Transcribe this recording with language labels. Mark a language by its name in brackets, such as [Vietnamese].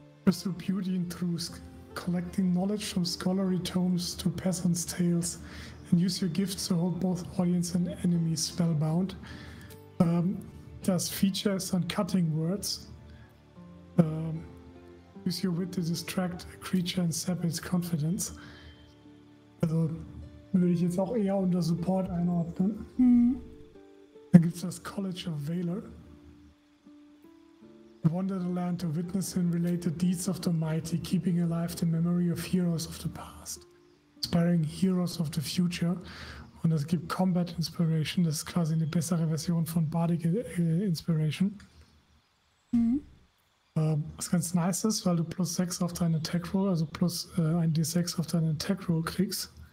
[English] Pursue beauty and truth, collecting knowledge from scholarly tomes to peasants' tales, and use your gifts to hold both audience and enemies spellbound. [German] Das Feature ist dann Cutting Words. [English] Use your wit to distract a creature and sap its confidence. [German] Also würde ich jetzt auch eher unter Support einordnen. Mhm. Dann gibt es das College of Valor. [English] Wander the land to witness and relate the deeds of the mighty, keeping alive the memory of heroes of the past, inspiring heroes of the future. [German] Und es gibt Combat Inspiration, das ist quasi eine bessere Version von Bardic Inspiration. Mhm. Was ganz nice ist, weil du plus 6 auf deinen Attack Roll, also plus ein D6 auf deinen Attack Roll kriegst.